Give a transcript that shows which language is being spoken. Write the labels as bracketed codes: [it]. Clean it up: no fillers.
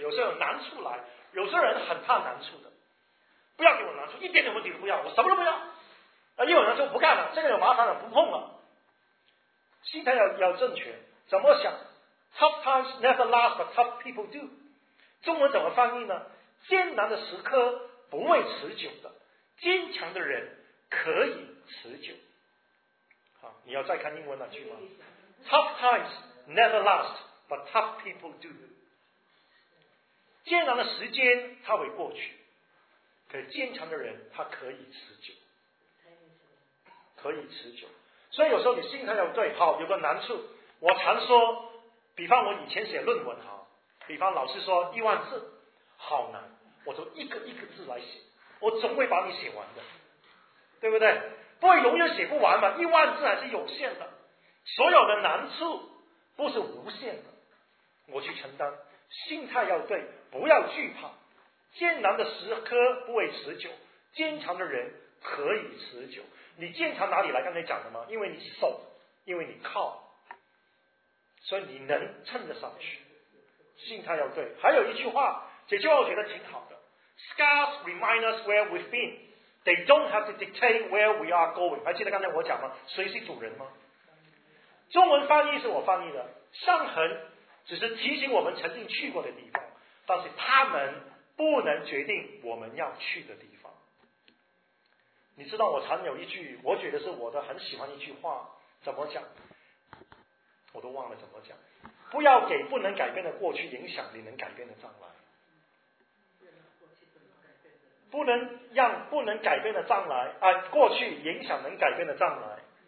[zh] 有时候有难处来，有时候人很怕难处的，不要给我难处，一点点问题都不要，我什么都不要，一有人就不干了，这个有麻烦了不碰了。心态 要正确，怎么想？ [en] Tough times never last but tough people do。 [zh] 中文怎么翻译呢？艰难的时刻不会持久的，坚强的人可以持久。你要再看英文那句吗？ [en] Tough times never last, but tough people do. [zh] 艰难的时间它会过去，可是坚强的人他可以持久，可以持久。所以有时候你心态要对，好，有个难处，我常说，比方我以前写论文，好，比方老师说10000字好难，我就一个一个字来写，我总会把你写完的，对不对？不会永远写不完嘛，10000字还是有限的，所有的难处不是无限的，我去承担，心态要对，不要惧怕，艰难的时刻不会持久，坚强的人可以持久。你坚强哪里来？刚才讲的吗？因为你守，因为你靠，所以你能撑得上去，心态要对。还有一句话，这句话我觉得挺好的， [en] Scars remind us where we've beenThey don't have to dictate where we are going. [zh] 还记得刚才我讲吗？谁是主人吗？中文翻译是我翻译的，伤痕只是提醒我们曾经去过的地方，但是他们不能决定我们要去的地方。你知道我常有一句，我觉得是我的很喜欢一句话，怎么讲我都忘了怎么讲，不要给不能改变的过去影响你能改变的将来，不能让不能改变的将来过去影响能改变的将来。